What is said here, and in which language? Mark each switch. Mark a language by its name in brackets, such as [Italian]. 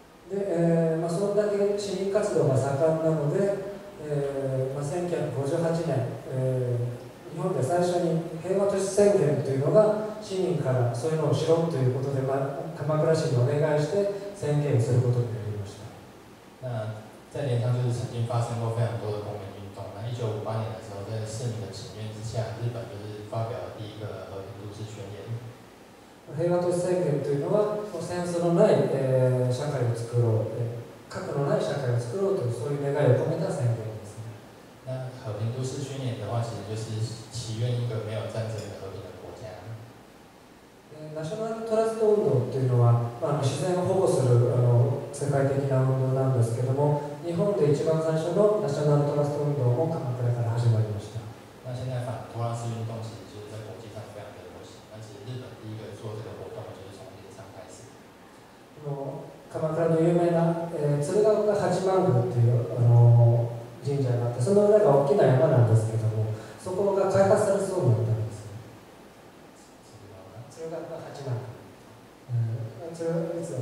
[Japanese] で、まあ、そんだけ市民活動が盛んなので、まあ、1958年、日本で最初に平和都市宣言というのが市民からそういうのをしろということで、まあ、鎌倉市にお願いして宣言することになりました。 [Chinese] 那在镰仓就是曾经发生过非常多的公民运动。那1958年的时候，在市民的请愿之下，日本就是发表了第一个和平都市宣言。 [Japanese] 平和都市宣言というのは、戦争のない、社会を作ろう、核のない社会を作ろうというそういう願いを込めた宣言ですね。 [Chinese] 那和平都市宣言的话，其实就是祈愿一个没有战争的和平的国家。 [Japanese] ナショナルトラスト運動というのは、まあ、自然を保護する世界的な運動なんですけども、日本で一番最初のナショナルトラスト運動も鎌倉から始まりました。 [Chinese] 那现在反托拉斯运动其实就是在国际上非常的流行，那其实日本第一个做这个活动就是从镰仓开始。 [Japanese] 鎌倉の有名な、鶴岡八幡宮っていう、神社があって、その裏が大きな山なんですけども、そこが開発されそうになったんです。鶴岡八幡宮。